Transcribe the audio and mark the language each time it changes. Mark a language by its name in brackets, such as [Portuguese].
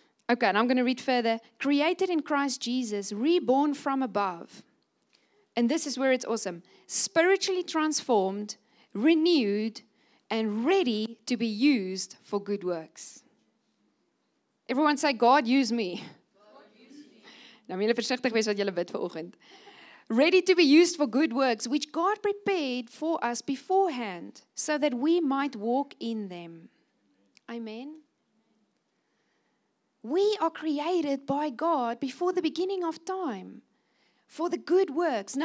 [English] Okay, and I'm going to read further. Created in Christ Jesus, reborn from above. And this is where it's awesome. Spiritually transformed, renewed, and ready to be used for good works. Everyone say, God, use me. [Afrikaans] Nou, jy moet versigtig wees wat jy bid vanoggend. [English] Ready to be used for good works, which God prepared for us beforehand, so that we might walk in them. Amen. We are created by God before the beginning of time for the good works.